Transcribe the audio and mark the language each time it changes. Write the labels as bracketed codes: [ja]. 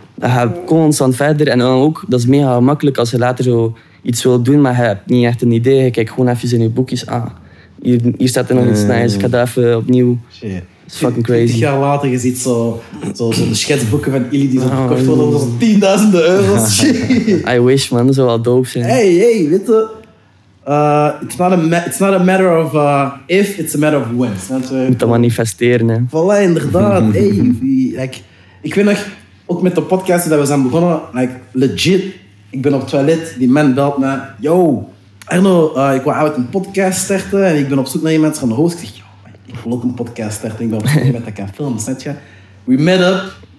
[nl] Dan ga je constant verder en dan ook, dat is mega makkelijk als je later zo iets wil doen, maar je hebt niet echt een idee. Je kijkt gewoon even in je boekjes. Ah, hier staat er nog iets nice, ik ga dat even opnieuw. Shit. Dat is fucking crazy. 20 jaar later, je ziet zo de schetsboeken van Illy die zo verkocht worden voor zo'n 10.000 euro's. [en] I wish, man. [nl] Dat zou wel dope zijn. Hey, weet je... [en] It's not a matter of if, it's a matter of when. [nl] Moet dat manifesteren, hè. Voilà, inderdaad. Hey, ik weet nog, ook met de podcast dat we zijn begonnen, legit, ik ben op het toilet, die man belt me. Yo, Arno, ik wou uit een podcast starten en ik ben op zoek naar iemand van de host. Ik zeg, yo, ik wil ook een podcast starten, ik ben op zoek naar iemand dat kan filmen, snap je? [en] We met up.